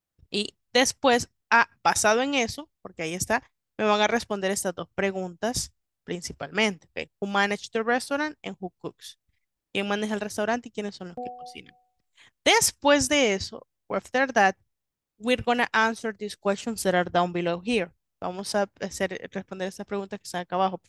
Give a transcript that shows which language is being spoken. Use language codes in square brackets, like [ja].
[es] Y después, basado en eso, porque ahí está, me van a responder estas dos preguntas principalmente. ¿Okay? [en] Who manages the restaurant and who cooks? [es] ¿Quién maneja el restaurante y quiénes son los que cocinan? Después de eso, [en] after that, we're going to answer these questions that are down below here. [es] Vamos a hacer, responder estas preguntas que están acá abajo.